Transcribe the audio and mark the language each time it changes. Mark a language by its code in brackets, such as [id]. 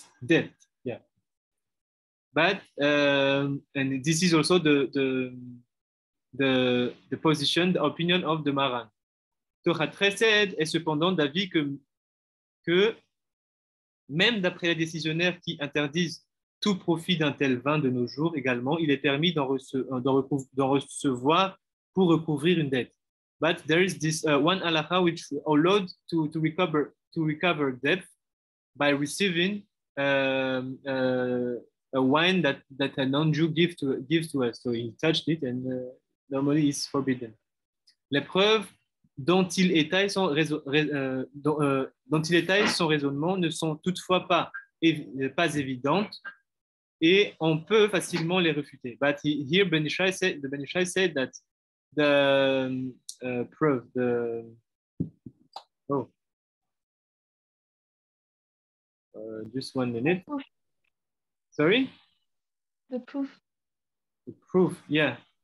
[en] Yeah. But and this is also the position, the opinion of the Maran. [fr] Torah 13 est cependant d'avis que même d'après les décisionnaires qui interdisent tout profit d'un tel vin de nos jours également, il est permis d'en recevoir pour recouvrir une dette. [en] But there is this one halakha which allowed to recover debt by receiving a wine that a non-Jew gives to us. So he touched it, and normally it's forbidden. [fr] Les preuves dont il étaye son raisonnement ne sont toutefois pas évidentes, et on peut facilement les refuter. [en] But here Ben Yishai said that the proof, the oh, just 1 minute. Sorry? The proof. The proof, yeah.